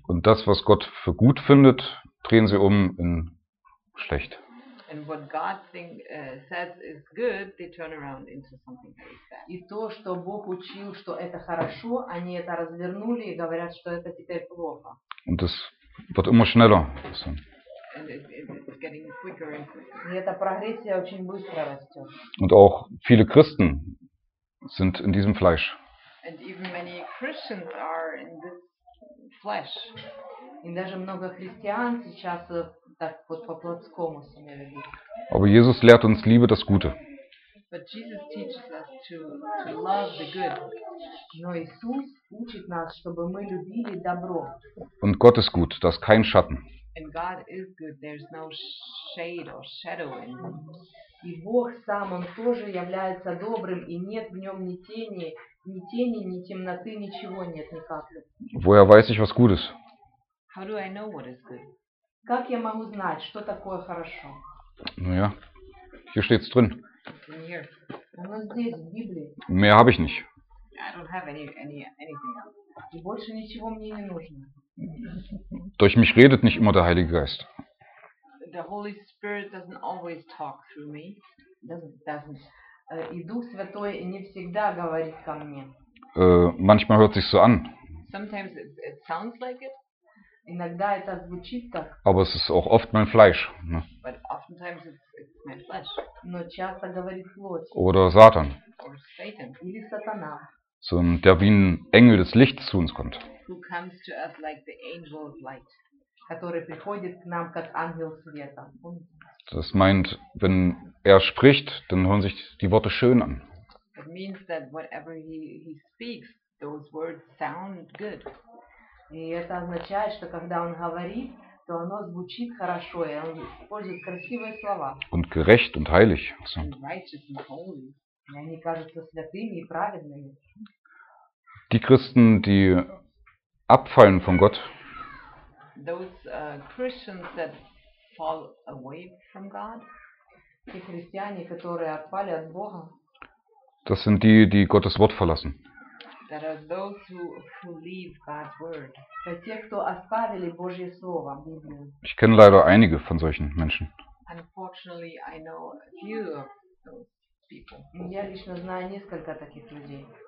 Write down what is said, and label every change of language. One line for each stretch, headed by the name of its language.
German: Und das, was Gott für gut findet, drehen sie um in schlecht.
English: And what God think, says is good, they turn around into something very bad.
Russian: И то, что Бог учил, что это хорошо, они это развернули и говорят, что это теперь плохо.
German: Und das wird immer schneller.
English: And it's getting quicker and quicker.
Russian: И эта прогрессия очень быстро растет.
German: Und auch viele Christen sind in diesem Fleisch.
English: And even many Christians are in this flesh.
Russian: И даже много христиан сейчас так вот по плотскому себя ведут.
German: Aber Jesus lehrt uns Liebe das Gute.
English: But Jesus teaches us to love the good.
Russian: Но Иисус учит нас, чтобы мы любили добро.
German: Und Gott ist gut, da ist kein Schatten.
English: And God is good. There's no shade or shadow in him.
Russian: И Бог сам, он тоже является добрым, и нет в нем ни тени, ни тени, ни темноты, ничего нет никак.
German: Woher weiß ich, was gut ist?
English: How do I know what is good?
Russian: Как я могу знать, что такое хорошо?
German: Ну ja, hier steht's drin.
English: In here.
Russian: Оно здесь, в Библии.
German: Mehr habe ich nicht.
English: I don't have anything else.
Russian: И больше ничего мне не нужно.
German: Durch mich redet nicht immer der Heilige Geist.
English: The Holy Spirit doesn't always talk through me. Doesn't.
Russian: И Дух Святой не всегда говорит ко мне.
German: Manchmal hört sich so an.
English: Sometimes it sounds like it.
Russian: Иногда это звучит так.
German: Aber es ist auch oft mein Fleisch. Ne?
English: But oftentimes it's my flesh.
Russian: Но часто говорит плоть.
German: Oder Satan.
English: Or Satan.
Russian: Или Сатана.
German: So, der wie ein Engel des Lichts zu uns kommt.
English: Who comes to us like the angel of light.
Russian: Который приходит к нам как ангел света.
German: Das meint, wenn er spricht, dann hören sich die Worte schön an.
English: It means that whatever he speaks, those words sound good.
Russian: И это означает, что когда он говорит, то оно звучит хорошо, и он использует красивые слова.
German: Und gerecht und heilig. So.
English: And righteous and holy.
Russian: И они кажутся святыми и праведными.
German: Die Christen, die abfallen von Gott,
English: those Christians that fall away from God,
German: die
Russian: христиане, которые отпали от Бога,
German: das sind die, die Gottes Wort verlassen.
English: That are those who leave God's word.
Russian: Это те, кто оставили Божье слово, Библию.
German: Ich kenne leider einige von solchen Menschen.
English: Unfortunately, I know a few of those people.
Russian: Я лично знаю несколько таких людей.